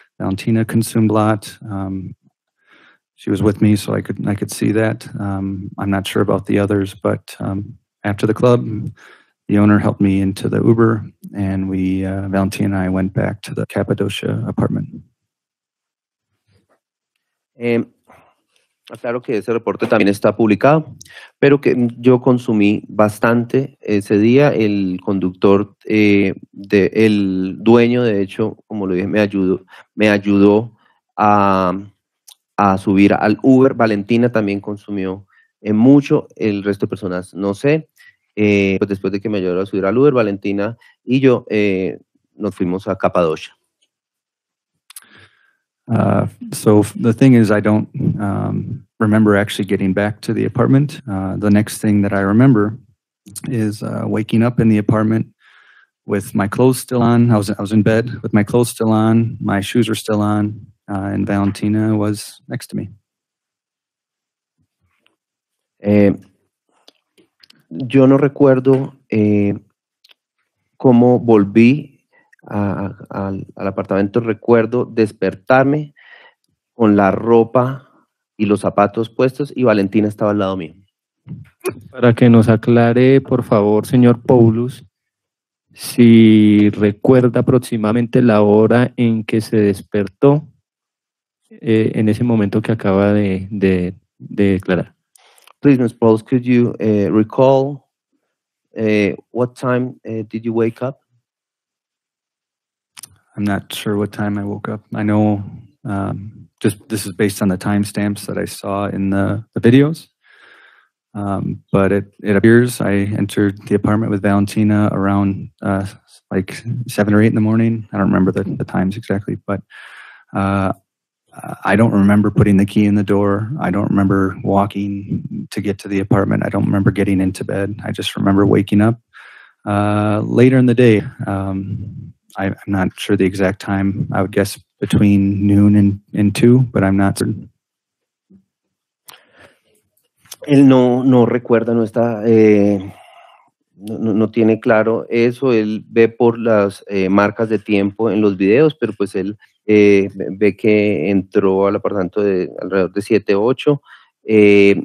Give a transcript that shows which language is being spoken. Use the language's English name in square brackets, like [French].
[English] Valentina consumed a lot. She was with me, so I could see that. I'm not sure about the others, but after the club, the owner helped me into the Uber, and Valentina and I went back to the Cappadocia apartment. [Spanish] Claro que ese reporte también está publicado, pero que yo consumí bastante ese día. El conductor, el dueño, de hecho, como lo dije, me ayudó a subir al Uber. Valentina también consumió mucho, el resto de personas no sé. Pues después de que me ayudó a subir al Uber, Valentina y yo nos fuimos a Capadocia. [English] So the thing is, I don't remember actually getting back to the apartment. The next thing that I remember is waking up in the apartment with my clothes still on. I was in bed with my clothes still on, my shoes were still on, and Valentina was next to me. [Spanish] Yo no recuerdo cómo volví al apartamento. Recuerdo despertarme con la ropa y los zapatos puestos y Valentina estaba al lado mío. Para que nos aclare, por favor, señor Poulos, si recuerda aproximadamente la hora en que se despertó en ese momento que acaba de declarar. [English] Please, Ms. Poulos, could you recall what time did you wake up? I'm not sure what time I woke up. I know just this is based on the timestamps that I saw in the videos. But it appears I entered the apartment with Valentina around like 7 or 8 in the morning. I don't remember the times exactly, but I don't remember putting the key in the door. I don't remember walking to get to the apartment. I don't remember getting into bed. I just remember waking up later in the day. I'm not sure the exact time. I would guess between noon and 2, but I'm not certain. [Spanish] Él no recuerda, no está, no tiene claro eso. Él ve por las marcas de tiempo en los videos, pero pues él ve que entró al apartamento de alrededor de 7-8.